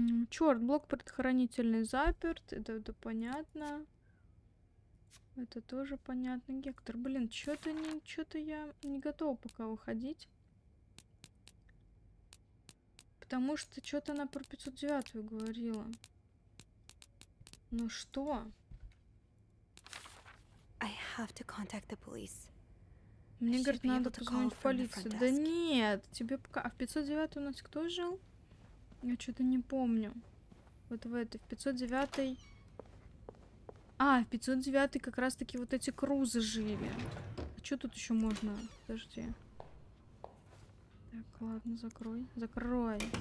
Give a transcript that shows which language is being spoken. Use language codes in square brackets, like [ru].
[ru] Черт, блок предохранительный заперт, это понятно. Это тоже понятно. Гектор, блин, что-то я не готова пока выходить. Потому что что-то она про 509 говорила. Ну что? [en] I have to contact the police. [ru] Мне, говорит, надо позвонить в полицию. Да нет, тебе пока... А в 509 у нас кто жил? Я что-то не помню. Вот в этой, в 509... А, в 509 как раз-таки вот эти крузы жили. А что тут еще можно? Подожди. Так, ладно, закрой. Закрой.